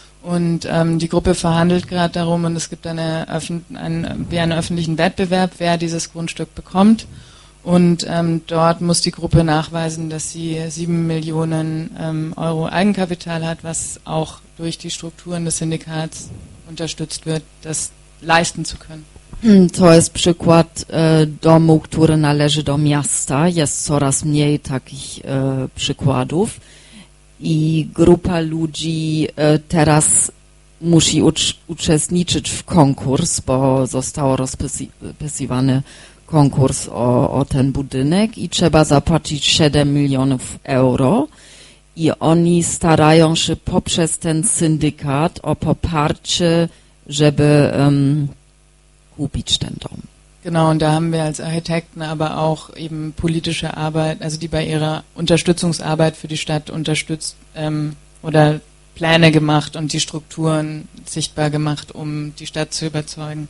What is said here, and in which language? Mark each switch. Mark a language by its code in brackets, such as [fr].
[de] Und die Gruppe verhandelt gerade darum und es gibt einen öffentlichen Wettbewerb, wer dieses Grundstück bekommt. Und dort muss die Gruppe nachweisen, dass sie 7 Millionen Euro Eigenkapital hat, was auch durch die Strukturen des Syndikats unterstützt wird, das leisten zu können. [pl] To jest przykład domu, który należy do miasta. Jest coraz mniej takich przykładów i grupa ludzi teraz musi uczestniczyć w konkurs, bo został rozpisywany konkurs o ten budynek i trzeba zapłacić 7 milionów euro i oni starają się poprzez ten syndykat o poparcie, żeby kupić ten dom. [de] Genau, und da haben wir als Architekten aber auch eben politische Arbeit, also die bei ihrer Unterstützungsarbeit für die Stadt unterstützt oder Pläne gemacht und die Strukturen sichtbar gemacht, um die Stadt zu überzeugen.